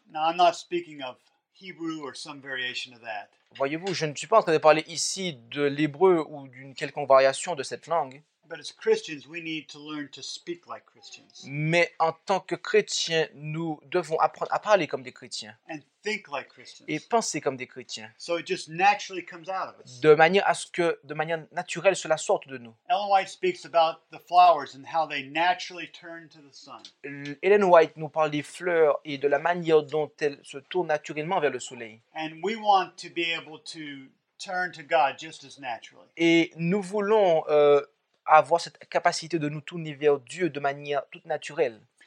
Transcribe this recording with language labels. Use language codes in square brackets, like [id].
[en] Now, I'm not speaking of Hebrew or some variation of that. [fr] Voyez-vous, je ne suis pas en train de parler ici de l'hébreu ou d'une quelconque variation de cette langue. [en] But as Christians, we need to learn to speak like Christians. [fr] Mais en tant que chrétiens, nous devons apprendre à parler comme des chrétiens. [en] And think like Christians. [fr] Et penser comme des chrétiens. [en] So it just naturally comes out of us. [fr] De manière naturelle, cela sorte de nous. [en] Ellen White speaks about the flowers and how they naturally turn to the sun. [fr] Ellen White nous parle des fleurs et de la manière dont elles se tournent naturellement vers le soleil. [en] And we want to be able to turn to God just as naturally. [fr] Et nous voulons avoir cette capacité de nous tourner vers Dieu de manière toute naturelle.